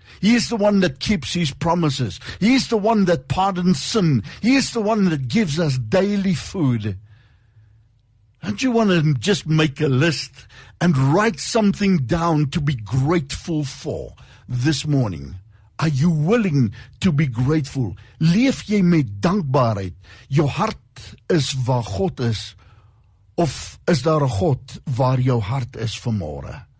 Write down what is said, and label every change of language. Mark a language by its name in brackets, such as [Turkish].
[English] He is the one that keeps His promises. He is the one that pardons sin. He is the one that gives us daily food. Don't you want to just make a list and write something down to be grateful for this morning? Are you willing to be grateful? [Afrikaans] Leef jy met dankbaarheid? [English] Your heart is [Afrikaans] waar God is, of is daar een God waar jou hart is vanmorgen?